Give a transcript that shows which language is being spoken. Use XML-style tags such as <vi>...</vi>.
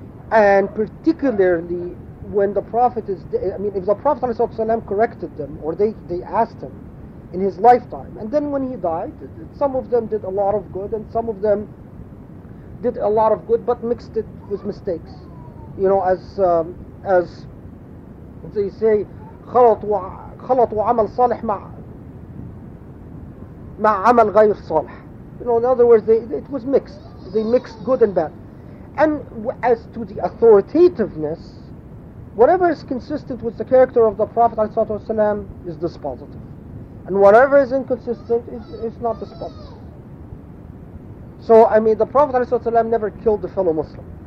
<en>And particularly when the Prophet if the Prophet ﷺ corrected them, or they asked him in his lifetime, and then when he died, some of them did a lot of good, and some of them did a lot of good, but mixed it with mistakes. You know, as they say,</en> <ar>خلط وعمل صالح مع عمل غير صالح.</ar> <en>You know, in other words, it was mixed. They mixed good and bad. And as to the authoritativeness, whatever is consistent with the character of the Prophet ﷺ is dispositive. And whatever is inconsistent is not dispositive. So, the Prophet ﷺ never killed a fellow Muslim.</en>